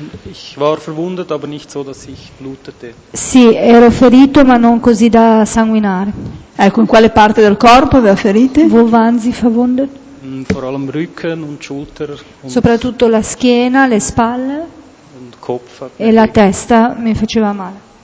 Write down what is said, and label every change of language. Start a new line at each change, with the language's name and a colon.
German: Ich war verwundet, aber nicht so, dass ich blutete.
Italian: Sì, ero ferito, ma non così da sanguinare. Ecco, in quale parte del corpo aveva ferite?
German: Wo waren Sie verwundet? Vor allem Rücken und Schulter.
Italian: Soprattutto la schiena, le spalle.
German: Und Kopf.
Italian: E la testa mi faceva male.